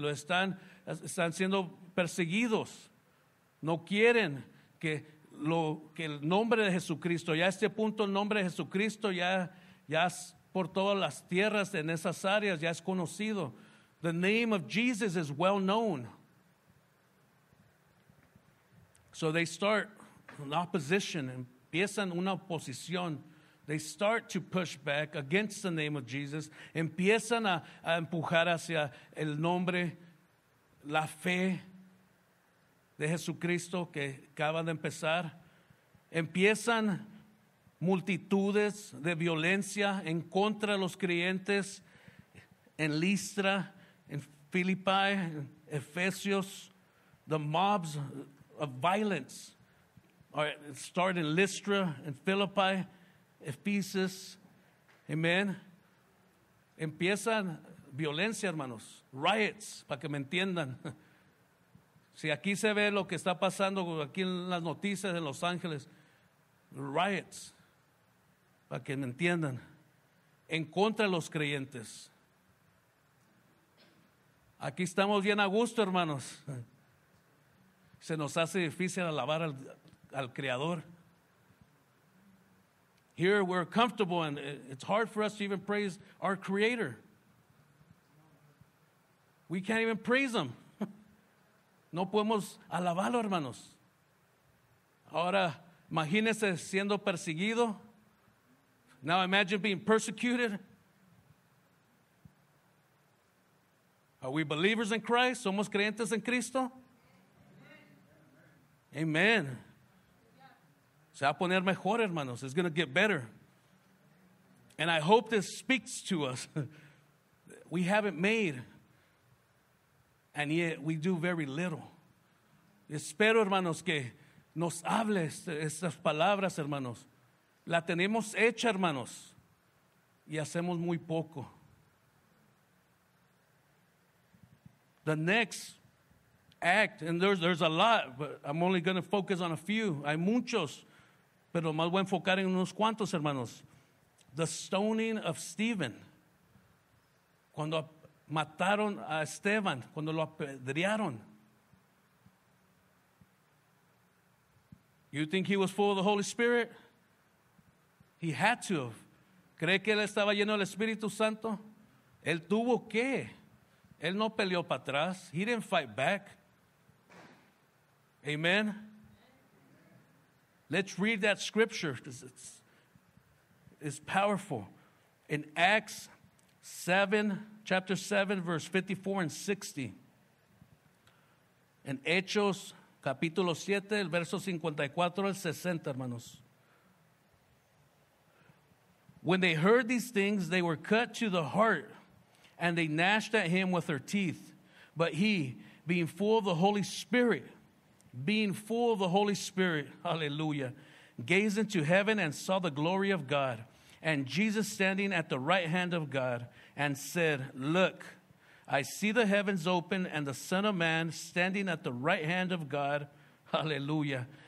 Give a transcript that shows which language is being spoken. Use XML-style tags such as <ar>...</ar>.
<es>Lo están, están siendo perseguidos. No quieren que lo que el nombre de Jesucristo, ya a este punto el nombre de Jesucristo ya, ya es por todas las tierras en esas áreas, ya es conocido.</es> <en>The name of Jesus is well known. So they start an opposition.</en> <es>Empiezan una oposición.</es> <en>They start to push back against the name of Jesus.</en> <es>Empiezan a empujar hacia el nombre, la fe de Jesucristo que acaban de empezar. Empiezan multitudes de violencia en contra de los creyentes en Listra, en Filipi, en Efesios.</es> <en>The mobs of violence start in Listra, in Philippi, Ephesus, amen.</en> <es>Empiezan violencia, hermanos. Riots, para que me entiendan. Si aquí se ve lo que está pasando aquí en las noticias en Los Ángeles, riots, para que me entiendan. En contra de los creyentes. Aquí estamos bien a gusto, hermanos. Se nos hace difícil alabar al, al Creador.</es> <en>Here we're comfortable and it's hard for us to even praise our Creator. We can't even praise Him.</en> <es>No podemos alabarlo, hermanos. Ahora, imagínese siendo perseguido.</es> <en>Now imagine being persecuted. Are we believers in Christ?</en> <es>¿Somos creyentes en Cristo? Amen. Se va a poner mejor, hermanos.</es> <en>It's going to get better. And I hope this speaks to us. We haven't made, and yet we do very little.</en> <es>Espero, hermanos, que nos hables estas palabras, hermanos. La tenemos hecha, hermanos, y hacemos muy poco.</es> <en>The next act, and there's a lot, but I'm only going to focus on a few.</en> <es>Hay muchos. Pero más voy a enfocar en unos cuantos, hermanos.</es> <en>The stoning of Stephen.</en> <es>Cuando mataron a Esteban cuando lo apedrearon.</es> <en>You think he was full of the Holy Spirit? He had to.</en> <es>¿Cree que él estaba lleno del Espíritu Santo? Él tuvo que. Él no peleó para atrás.</es> <en>He didn't fight back.</en> <es>Amen.</es> <en>Let's read that scripture because it's powerful. In Acts 7, chapter 7, verse 54 and 60.</en> <es>In Hechos, capítulo 7, el verso 54 al 60, hermanos.</es> <en>When they heard these things, they were cut to the heart, and they gnashed at him with their teeth. But he, being full of the Holy Spirit, being full of the Holy Spirit, hallelujah, gazed into heaven and saw the glory of God, and Jesus standing at the right hand of God, and said, Look, I see the heavens open, and the Son of Man standing at the right hand of God, hallelujah.</en>